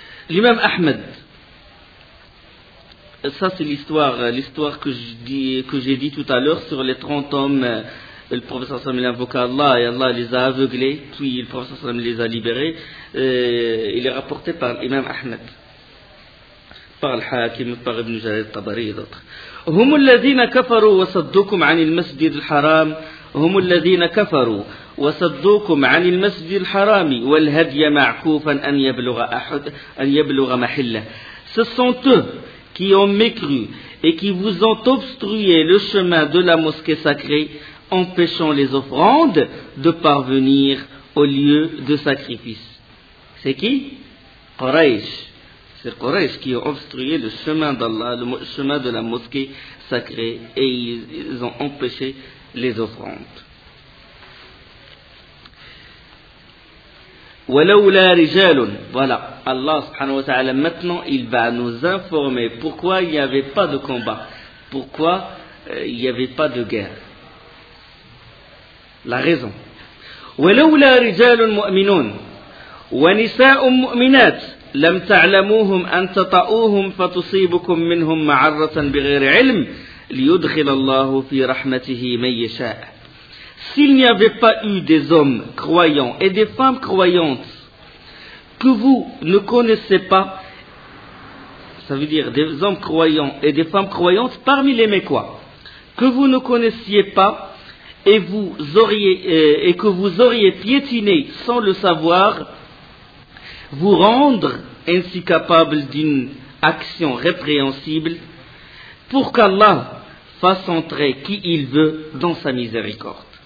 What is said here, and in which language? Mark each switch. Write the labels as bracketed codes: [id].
[fr] L'imam Ahmed, ça c'est l'histoire que j'ai dit tout à l'heure sur les 30 hommes le professeur Sam il invoqua Allah et Allah les a aveuglés, puis le professeur Sam les a libérés. Il est rapporté par l'imam Ahmed, par le Hakim, par Ibn Jalal Tabari et d'autres. [ar] هم الذين كفروا وصدوكم عن المسجد الحرام هم الذين كفروا وصدوكم عن المسجد الحرام والهدي معكوفا أن يبلغ أحد أن يبلغ محله. [fr] Ce sont eux qui ont mécru et qui vous ont obstrué le chemin de la mosquée sacrée, empêchant les offrandes de parvenir au lieu de sacrifice. C'est qui? Quraysh. C'est Quraysh qui ont obstrué le chemin d'Allah, le chemin de la mosquée sacrée, et ils ont empêché les offrandes. [ar] وَلَوْلَا رِجَالٌ. [fr] Voilà, Allah subhanahu wa ta'ala, maintenant il va nous informer pourquoi il n'y avait pas de combat, pourquoi il n'y avait pas de guerre. La raison. [ar] وَلَوْلَا رِجَالٌ مُؤْمِنُونَ وَنِسَاءٌ مُؤْمِنَاتٌ لم تعلموهم أن تطؤوهم فتصيبكم منهم معرة بغير علم ليدخل الله في رحمته من يشاء. [fr] S'il n'y avait pas eu des hommes croyants et des femmes croyantes que vous ne connaissez pas, ça veut dire des hommes croyants et des femmes croyantes parmi les Mécois, que vous ne connaissiez pas et vous auriez et que vous auriez piétiné sans le savoir, vous rendre ainsi capable d'une action répréhensible pour qu'Allah fasse entrer qui il veut dans sa miséricorde.